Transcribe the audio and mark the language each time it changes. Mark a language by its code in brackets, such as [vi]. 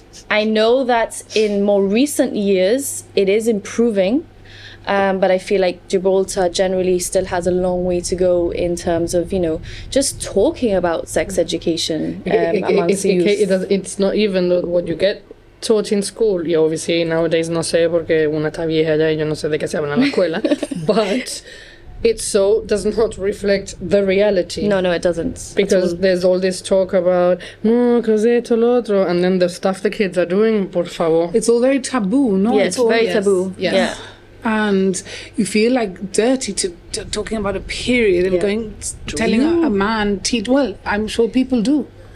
[en] I know that in more recent years, it is improving. But I feel like Gibraltar generally still has a long way to go in terms of, you know, just talking about sex education amongst youth. It's not even what you get taught in school. Yeah, obviously, nowadays, [es] no sé, porque una está vieja ya y yo no sé de qué se habla en la escuela. [en] But it so does not reflect the reality. No, it doesn't. Because there's all this talk about, [es] no, cos esto, lo otro, [en] and then the stuff the kids are doing, [es] por favor. [en] It's all very taboo, no? Yes, it's all very taboo. Yes. Yeah. And you feel like dirty to talking about a period and going telling a man well, I'm sure people do.